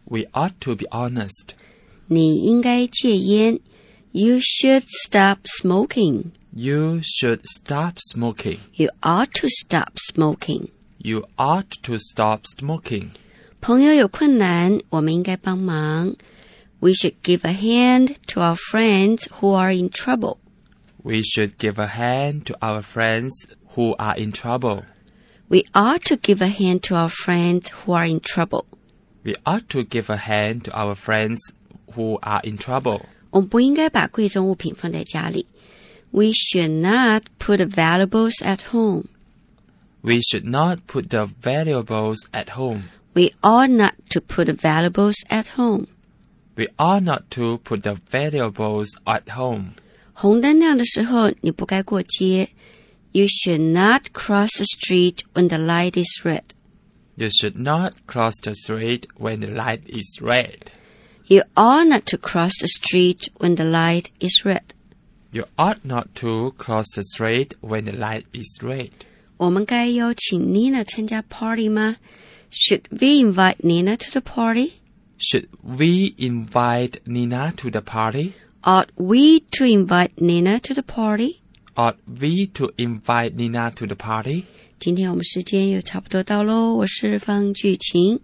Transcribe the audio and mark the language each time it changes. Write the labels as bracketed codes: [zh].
[en] We ought to be honest. [zh] 你应该戒烟。 [en] You should stop smoking. You should stop smoking. You ought to stop smoking. You ought to stop smoking. [zh] 朋友有困难，我们应该帮忙。 [en] We should give a hand to our friends who are in trouble. We should give a hand to our friends who are in trouble. We ought to give a hand to our friends who are in trouble. We ought to give a hand to our friends who are in trouble. [zh] 我们不应该把贵重物品放在家里。 [en] We should not put the valuables at home. We should not put the valuables at home. We ought not to put the valuables at home. We ought not to put the valuables at home. [zh] 红灯亮的时候你不该过街。 [en] You should not cross the street when the light is red. You should not cross the street when the light is red. You ought not to cross the street when the light is red. You ought not to cross the street when the light is red. [zh] 我们该邀请 Nina 参加 party 吗？ [en] Should we invite Nina to the party? Should we invite Nina to the party? Ought we to invite Nina to the party? Ought we to invite Nina to the party? [zh] 今天我们时间又差不多到咯，我是方巨晴，